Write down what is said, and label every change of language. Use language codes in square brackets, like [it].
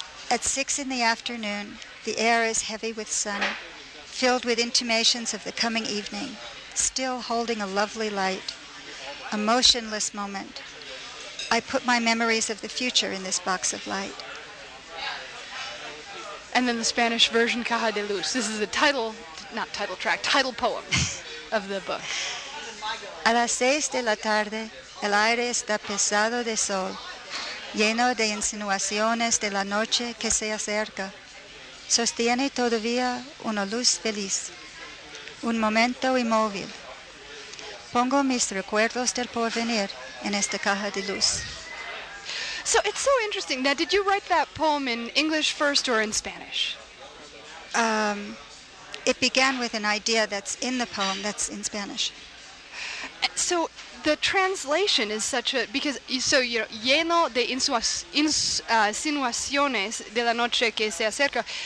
[en] At 6 in the afternoon, the air is heavy with sun, filled with intimations of the coming evening, still holding a lovely light, a motionless moment. I put my memories of the future in this box of light. And then the Spanish version, Caja de Luz. This is the title, not title track, title poem of the book. [es] A las 6 de la tarde, el aire está pesado de sol, lleno de insinuaciones de la noche que se acerca. Sostiene todavía una luz feliz, un momento inmóvil. Pongo mis recuerdos del porvenir en esta caja de luz. [en] So it's so interesting. Now, did you write that poem in English first or in Spanish? It began with an idea that's in the poem that's in Spanish. So the translation is such a... Because, so, you know, [es] lleno de insinuaciones de la noche que se acerca.